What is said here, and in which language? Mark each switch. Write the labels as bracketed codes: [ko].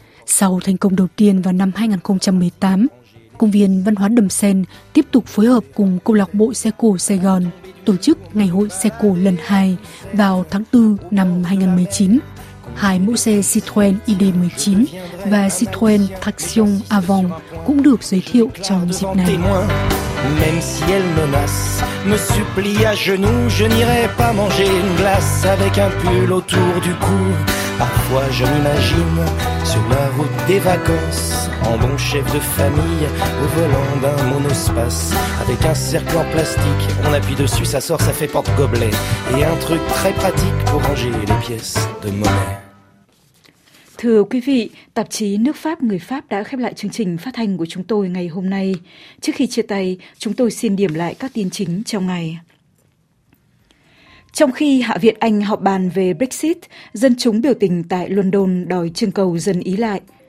[vi] Sau thành công đầu tiên vào năm 2018, Công viên Văn hóa Đầm Sen tiếp tục phối hợp cùng Câu lạc bộ xe cổ Sài Gòn tổ chức Ngày hội xe cổ lần 2 vào tháng 4 năm 2019. Hai mẫu xe Citroën ID19 và Citroën Traction Avant cũng được giới thiệu trong dịp này. [fr] Même si elle menace, me supplie à genoux, je n'irai pas manger une glace avec un pull autour du cou. Parfois je m'imagine sur la route des vacances, en bon chef de famille, au volant d'un monospace. Avec un cercle en plastique, on appuie dessus, ça sort, ça fait porte-gobelet. Et un truc très pratique pour ranger les pièces de monnaie. [vi] Thưa quý vị, tạp chí Nước Pháp Người Pháp đã khép lại chương trình phát thanh của chúng tôi ngày hôm nay. Trước khi chia tay, chúng tôi xin điểm lại các tin chính trong ngày. Trong khi Hạ viện Anh họp bàn về Brexit, dân chúng biểu tình tại London đòi trưng cầu dân ý lại.